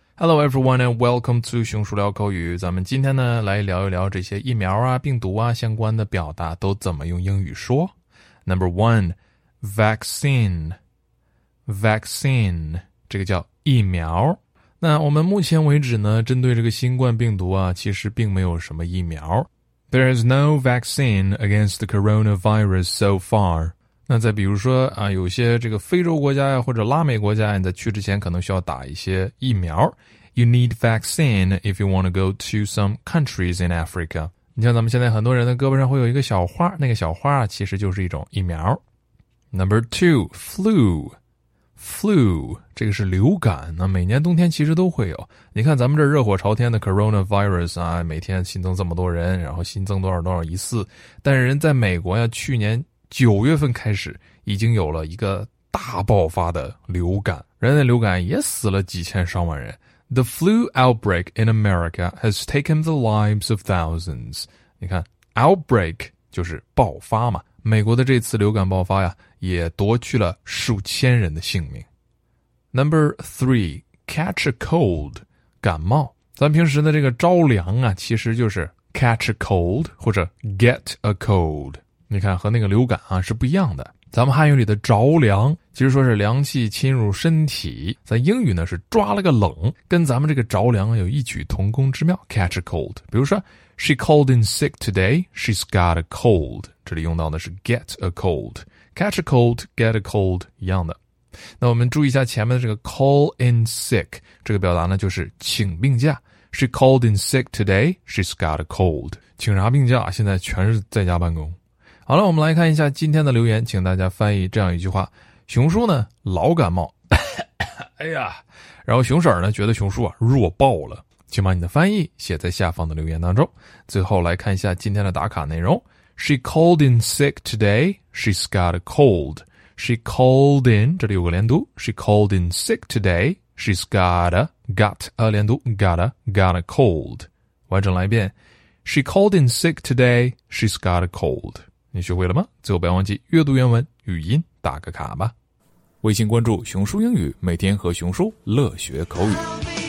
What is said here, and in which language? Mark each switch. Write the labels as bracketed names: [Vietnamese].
[English] Hello everyone and welcome to [Chinese] 熊叔聊口语。咱们今天呢来聊一聊这些疫苗啊、病毒啊相关的表达都怎么用英语说。 [English] Number one, vaccine, vaccine, [Chinese] 这个叫疫苗。那我们目前为止呢，针对这个新冠病毒啊，其实并没有什么疫苗。 [English] There is no vaccine against the coronavirus so far. [Chinese] 那再比如说啊，有些这个非洲国家呀，或者拉美国家，你在去之前可能需要打一些疫苗。 [English] You need vaccine if you want to go to some countries in Africa. [Chinese] 你像咱们现在很多人的胳膊上会有一个小花，那个小花啊，其实就是一种疫苗。 [English] Number two, flu. Flu, [Chinese] 这个是流感，那每年冬天其实都会有。你看咱们这热火朝天的 coronavirus 啊，每天新增这么多人，然后新增多少多少疑似。但是人在美国呀，去年九月份开始已经有了一个大爆发的流感，人类流感也死了几千上万人。 [English] The flu outbreak in America has taken the lives of thousands. [Chinese] 你看 outbreak 就是爆发嘛，美国的这次流感爆发呀，也夺去了数千人的性命。 [English] Number three, catch a cold, 感冒。 [Chinese] 咱平时的这个着凉啊，其实就是 [English] catch a cold [Chinese] 或者 [English] get a cold。 [Chinese] 你看和那个流感啊是不一样的。咱们汉语里的着凉其实说是凉气侵入身体。咱英语呢是抓了个冷，跟咱们这个着凉有异曲同工之妙， [English] catch a cold。 [Chinese] 比如说 [English] ,she called in sick today, she's got a cold。 [Chinese] 这里用到的是 [English] get a cold。 catch a cold, get a cold, [Chinese] 一样的。那我们注意一下前面的这个 [English] call in sick, [Chinese] 这个表达呢就是请病假。 [English] she called in sick today, she's got a cold。 [Chinese] 请啥病假，现在全是在家办公。好了，我们来看一下今天的留言，请大家翻译这样一句话。熊叔呢老感冒。哎呀。然后熊婶呢觉得熊叔啊弱爆了。请把你的翻译写在下方的留言当中。最后来看一下今天的打卡内容。 [English] She called in sick today, she's got a cold. She called in, [Chinese] 这里有个连读。 [English] She called in sick today, she's got a 连读 got a cold. [Chinese] 完整来一遍。 [English] She called in sick today, she's got a cold. [Chinese] 你学会了吗？最后不要忘记阅读原文语音打个卡吧。微信关注熊叔英语，每天和熊叔乐学口语。